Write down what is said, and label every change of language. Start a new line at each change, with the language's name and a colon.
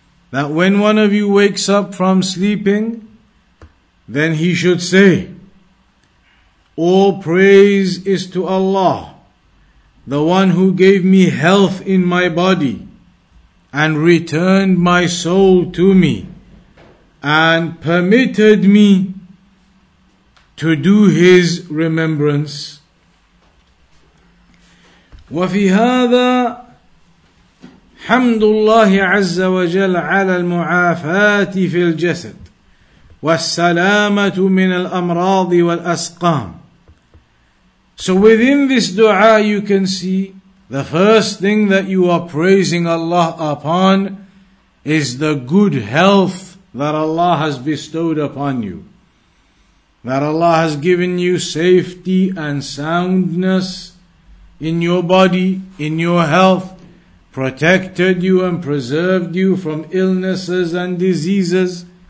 English: That when one of you wakes up from sleeping, then he should say, all praise is to Allah, the one who gave me health in my body and returned my soul to me and permitted me to do his remembrance.
Arabic: وفي هذا حمد الله عز وجل على المعافاة في الجسد والسلامة من الأمراض والأسقام.
English: So within this dua you can see the first thing that you are praising Allah upon is the good health that Allah has bestowed upon you, that Allah has given you safety and soundness in your body, in your health, protected you and preserved you from illnesses and diseases.